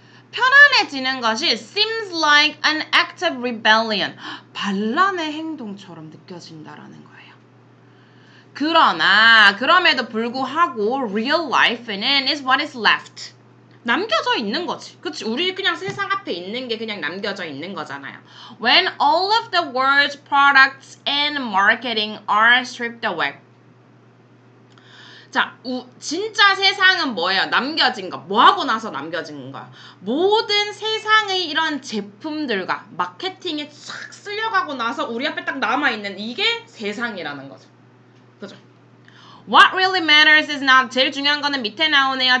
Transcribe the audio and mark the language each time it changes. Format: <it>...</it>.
<ko>편안해지는 것이</ko> <en>seems like an act of rebellion.</en> <ko>반란의 행동처럼 느껴진다라는 거예요. 그러나 그럼에도 불구하고</ko> <en>real life는 is what is left.</en> <ko>남겨져 있는 거지. 그치? 우리 그냥 세상 앞에 있는 게 그냥 남겨져 있는 거잖아요.</ko> <en>When all of the world's products and marketing are stripped away.</en> <ko>자, 진짜 세상은 뭐예요? 남겨진 거. 뭐 하고 나서 남겨진 거야? 모든 세상의 이런 제품들과 마케팅에 싹 쓸려가고 나서 우리 앞에 딱 남아있는 이게 세상이라는 거죠. 그죠?</ko> <en>What really matters is not,</en> <ko>제일 중요한 거는 밑에 나오네요.</ko>